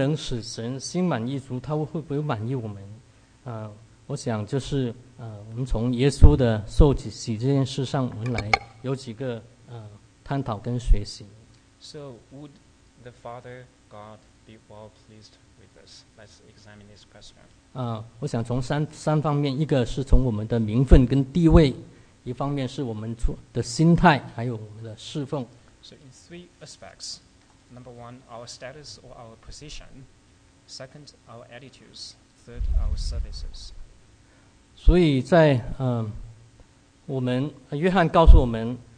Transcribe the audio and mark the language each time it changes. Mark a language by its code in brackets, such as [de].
[zh] 所以我们能不能使神心满意足?他会不会满意我们? 我想就是 我们从耶稣的受洗这件事上 我们来有几个探讨跟学习 [en] So would the Father God be well pleased with us? Let's examine this question. [zh] 我想从三方面，一个是从我们的名分跟地位，一方面是我们的心态，还有我们的侍奉。 [en] So in three aspects, number one, our status or our position. Second, our attitudes. Third, our services. [zh] 所以在我们约翰告诉我们。